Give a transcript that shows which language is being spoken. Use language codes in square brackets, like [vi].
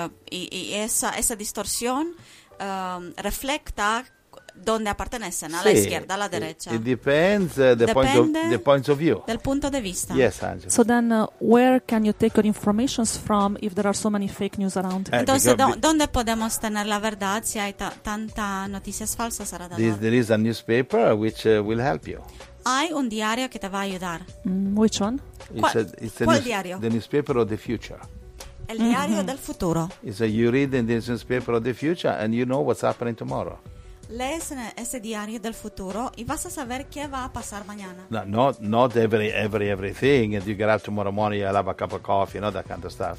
[es] Y esa distorsión refleja dónde pertenecen, a la izquierda, a la derecha. [en] It depends the point of view. [es] Del punto de vista. [en] Yes, Angela. So then, where can you take your information from if there are so many fake news around? [es] Entonces, ¿dónde podemos tener la verdad si hay tanta noticias falsas alrededor? [en] There is a newspaper which will help you. [es] Hay un diario que te va a ayudar. [en] Which one? [es] ¿Cuál diario? [en] The newspaper of the future. [es] El diario del futuro. [en] It's a, you read in the newspaper of the future and you know what's happening tomorrow. [es] Lees ese diario del futuro y vas a saber qué va a pasar mañana. [en] No, not everything. If you get up tomorrow morning, you'll have a cup of coffee, you know, that kind of stuff.